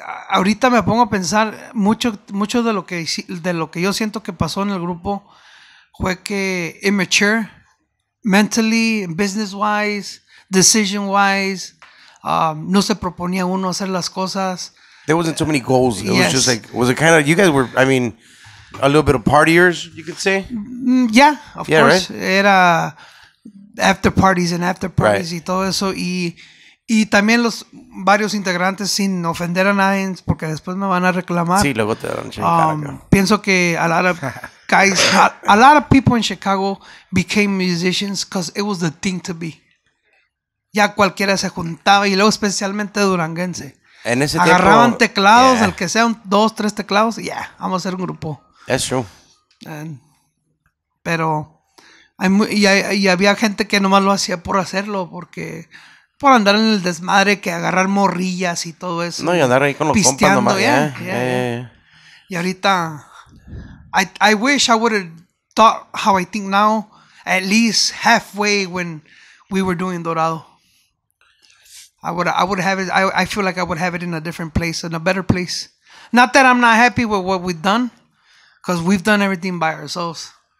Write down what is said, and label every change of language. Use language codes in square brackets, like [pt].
[es] Ahorita me pongo a pensar mucho de lo que yo siento que pasó en el grupo fue que immature, mentally, business-wise, decision-wise, no se proponía uno hacer las cosas. [en] There wasn't too many goals. It was just like, was it kind of, you guys were, I mean, a little bit of partiers, you could say? Yeah, of course. Right? Era after parties right. Y todo eso. [es] Y también los varios integrantes, sin ofender a nadie, porque después me van a reclamar. Sí, luego te van a Chicago. [en] Pienso que a lot of guys, a lot of people in Chicago became musicians because it was the thing to be. [es] Ya cualquiera se juntaba, y luego especialmente Durangense. En ese agarraban teclados, yeah. El que sean dos, tres teclados, ya, yeah, vamos a hacer un grupo. [en] That's true. [es] Pero, y había gente que nomás lo hacía por hacerlo, porque por andar en el desmadre, que agarrar morrillas y todo eso. No, y andar ahí con los pisteando, compas nomás. [en] Yeah. Y ahorita, I wish I would have thought how I think now, at least halfway when we were doing Dorado. I would have it. I feel like I would have it in a different place, in a better place. Not that I'm not happy with what we've done, because we've done everything by ourselves.